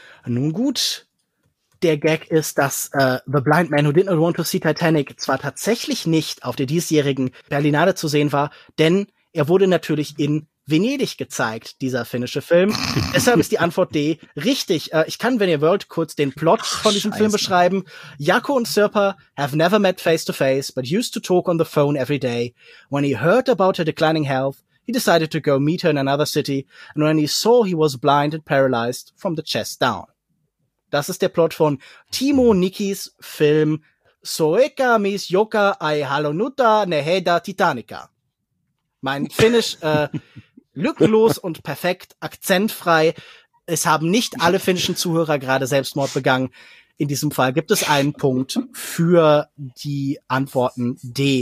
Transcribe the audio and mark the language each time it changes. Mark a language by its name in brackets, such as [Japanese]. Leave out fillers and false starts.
[German] Nun gut, der Gag ist, dass The Blind Man Who Did Not Want to See Titanic zwar tatsächlich nicht auf der diesjährigen Berlinale zu sehen war, denn er wurde natürlich in Venedig gezeigt, dieser finnische Film. Deshalb ist die Antwort D richtig. Ich kann, wenn ihr wollt, kurz den Plot von diesem Film beschreiben. [English] Jaco und Sirpa have never met face to face, but used to talk on the phone every day. When he heard about her declining health, he decided to go meet her in another city. And when he saw, he was blind and paralyzed from the chest down. [German] Das ist der Plot von Timo Nikis Film Soeka mis joka ai halonuta neheda Titanica. Mein Finnisch lückenlos und perfekt, akzentfrei. Es haben nicht alle finnischen Zuhörer gerade Selbstmord begangen. In diesem Fall gibt es einen Punkt für die Antworten D.